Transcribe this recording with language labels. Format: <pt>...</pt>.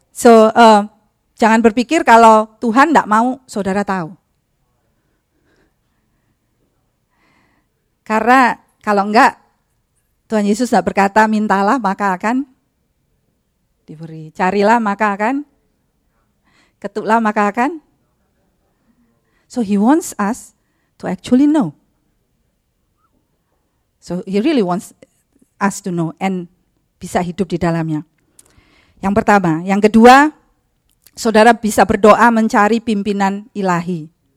<id>So, jangan berpikir kalau Tuhan tidak mau saudara tahu. Karena kalau enggak, Tuhan Yesus enggak berkata, mintalah maka akan diberi. Carilah maka akan, ketuklah maka akan.</id> <en>So he wants us to actually know. So he really wants us to know and</en> <id>bisa hidup di dalamnya. Yang pertama. Yang kedua, saudara bisa berdoa mencari pimpinan ilahi.</id>